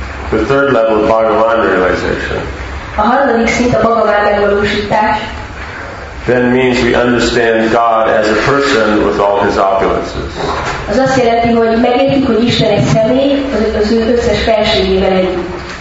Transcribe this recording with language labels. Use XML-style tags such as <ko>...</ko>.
<en>The third level of Bhagavan realization.</en> <hu>A harmadik szint a Bhagavan megvalósítás.</hu> <en>Then means we understand God as a person with all his opulences.</en> <hu>Az azt jelenti, hogy megértjük, hogy Isten egy személy, az ő összes felségével együtt.</hu>